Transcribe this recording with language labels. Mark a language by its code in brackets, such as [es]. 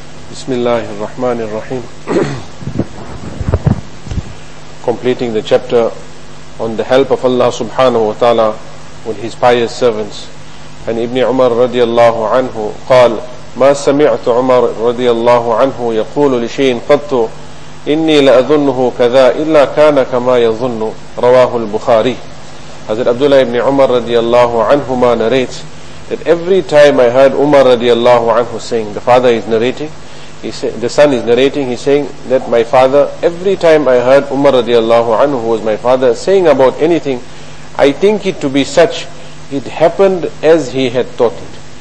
[ar] بسم الله الرحمن الرحيم [en] completing the chapter on the help of Allah subhanahu wa ta'ala with his pious servants. And Ibn Umar radiallahu anhu [ar] قال ما سمعت عمر رضي الله عنه يقول لشيء قط إني لأظنه كذا إلا كان كما يظن رواه البخاري. [en] Hazrat Abdullah ibn Umar radiallahu anhuma narrates that every time I heard Umar radiallahu anhu saying, the father is narrating, he's saying that my father, every time I heard Umar radiallahu anhu, who was my father, saying about anything, I think it to be such, it happened as he had taught it.